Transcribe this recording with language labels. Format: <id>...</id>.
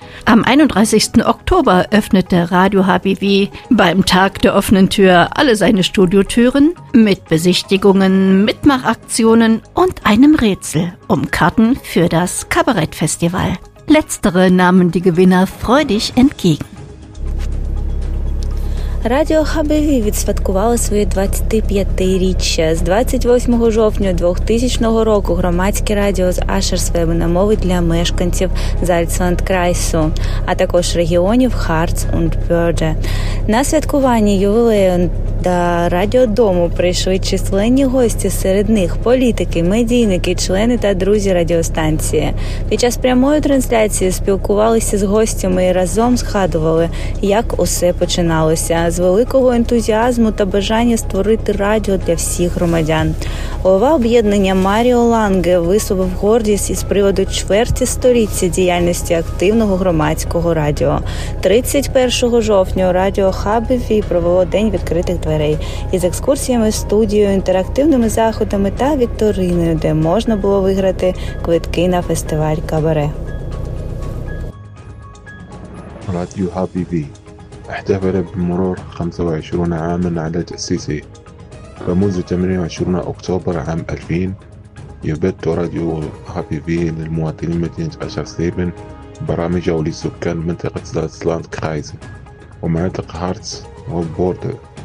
<de>Am 31. Oktober öffnete Radio HBW beim Tag der offenen Tür alle seine Studiotüren mit Besichtigungen, Mitmachaktionen und einem Rätsel um Karten für das Kabarettfestival. Letztere nahmen die Gewinner freudig entgegen.</de> <uk>Радіо HBV відсвяткувало своє 25-річчя. З 28 жовтня 2000 року громадське радіо з Ашерслібена мовить для мешканців Зальцландкрайсу, а також регіонів Харц і Бёрде. На святкуванні ювілею до радіодому прийшли численні гості, серед них – політики, медійники, члени та друзі радіостанції. Під час прямої трансляції спілкувалися з гостями і разом згадували, як усе починалося – з великого ентузіазму та бажання створити радіо для всіх громадян. Голова об'єднання Маріо Ланге висловив гордість із приводу чверті століття діяльності активного громадського радіо. 31 жовтня радіо HBV провело день відкритих дверей із екскурсіями, студією, інтерактивними заходами та вікториною, де можна було виграти квитки на фестиваль Кабаре.</uk> <ar>Радіо HBV احتفل بمرور 25 عاماً على تأسيسه. فمنذ 28 أكتوبر عام 2000 يبث راديو HBV للمواطنين مدينة أشرسليبن برامجه لسكان منطقة زالتسلاند كرايز ومنطقة هارتس وبوردر.</ar>